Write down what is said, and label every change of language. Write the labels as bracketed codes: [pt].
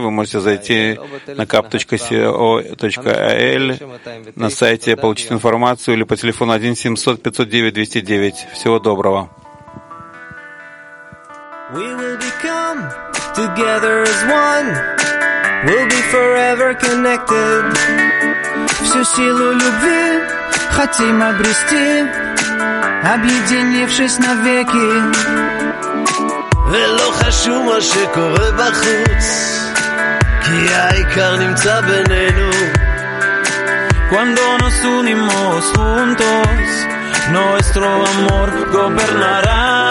[ru] Вы можете зайти на kap.co.al на сайте, получить информацию или по телефону 1-700-509-209. Всего доброго. [en] We will become together as one. We'll be forever connected. [ru] Всю силу любви хотим обрести, объединившись навеки. [he] ולא חשוב מה שקורה בחוץ, כי העיקר נמצא בינינו. [es] Cuando nos unimos juntos, nuestro amor gobernará.